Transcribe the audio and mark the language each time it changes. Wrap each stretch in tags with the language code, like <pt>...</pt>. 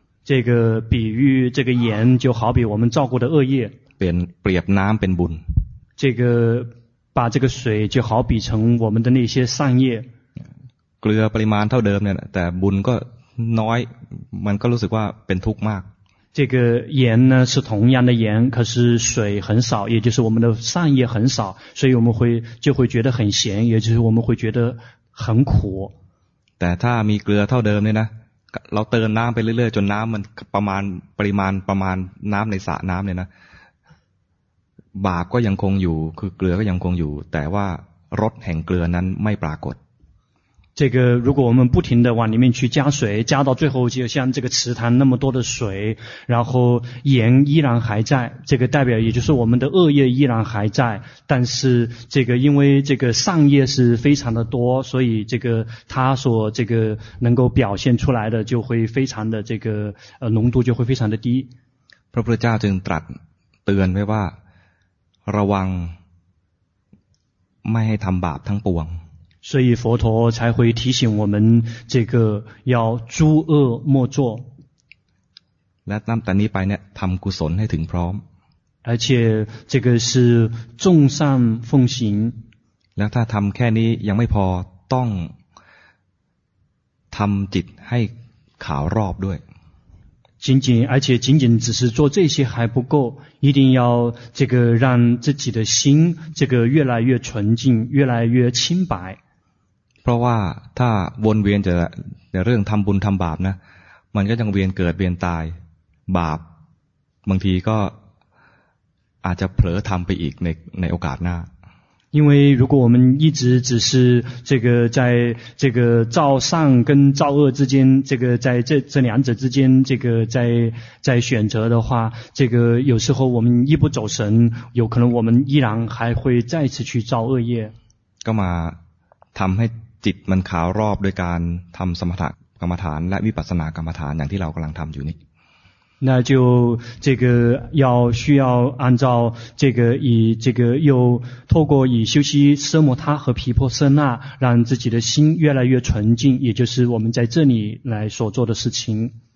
<zh>这个比喻这个盐就好比我们造过的恶业</zh> <th>เปรียบน้ำเป็นบุญ</th> <zh>这个把这个水就好比成我们的那些善业</zh> <th>เกลือปริมาณเท่าเดิมเนี่ยแต่บุญก็น้อยมันก็รู้สึกว่าเป็นทุกข์มาก</th> <zh>这个盐呢是同样的盐可是水很少也就是我们的善业很少所以我们就会觉得很咸也就是我们会觉得很苦</zh> <th>แต่ถ้ามีเกลือเท่าเดิมเนี่ยนะเราเติมน้ำไปเรื่อยๆจนน้ำมันปริมาณน้ำในสระน้ำเนี่ยนะบาปก็ยังคงอยู่คือเกลือก็ยังคงอยู่แต่ว่ารสแห่งเกลือนั้นไม่ปรากฏ</th> <zh>这个如果我们不停地往里面去加水加到最后就像这个池塘那么多的水然后盐依然还在这个代表也就是我们的恶业依然还在但是这个因为这个善业是非常的多所以这个它所这个能够表现出来的就会非常的这个浓度就会非常的低</zh> <th>พระพุทธเจ้าจึงตรัสเตือนไว้ว่าระวังไม่ให้ทำบาปทั้งปวง</th> <zh>所以佛陀才会提醒我们这个要诸恶莫作</zh> <th>และนับแต่นี้ไปเนี่ยทำกุศลให้ถึงพร้อม</th> <zh>而且这个是众善奉行</zh> <th>แล้วถ้าทำแค่นี้ยังไม่พอต้องทำจิตให้ขาวรอบด้วย</th> <zh>仅仅而且仅仅只是做这些还不够一定要这个让自己的心这个越来越纯净越来越清白</zh> <th>เพราะว่าถ้าวนเวียนจะเรื่องทำบุญทำบาปนะมันก็ยังเวียนเกิดเวียนตายบาปบางทีก็อาจจะเผลอทำไปอีกในโอกาสหน้า</th> <zh>因为如果我们一直只是这个在这个造善跟造恶之间，这个在这两者之间，这个在选择的话，这个有时候我们一不走神，有可能我们依然还会再次去造恶业。</zh> <th>ก็มาทำให้จิตมันขาวรอบโดยการทำสมถกรรมฐานและวิปัสสนากรรมฐานอย่างที่เรากำลังทำอยู่นี้</th> <zh>那就这个要需要按照这个以这个又透过以修习奢摩他和毗婆舍那让自己的心越来越纯净也就是我们在这里来所做的事情</zh>